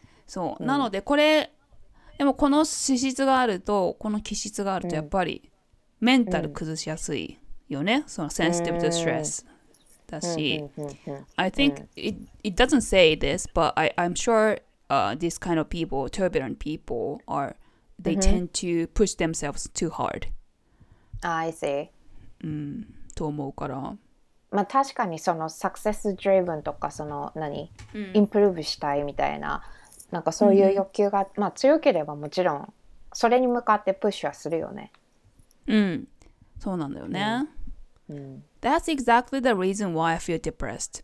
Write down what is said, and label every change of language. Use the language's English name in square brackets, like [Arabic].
[Japanese] そう、うん、なのでこれでもこの資質があるとこの気質があるとやっぱりメンタル崩しやすいよね、うん、そのセンシティブとストレスだし、うん、 [English] I think it doesn't say this but I'm sure、this kind of people turbulent people are they tend to push themselves too hard、 [Japanese] うん、 [English] I see、 [Japanese] うん、と思うから、まあ確かにそのサクセスドリブンとかその何、うん、インプルーブしたいみたいななんかそういう欲求が、うん、まあ強ければもちろんそれに向かってプッシュはするよね。うん、そうなんだよね、うんうん、 [English] That's exactly the reason why I feel depressed.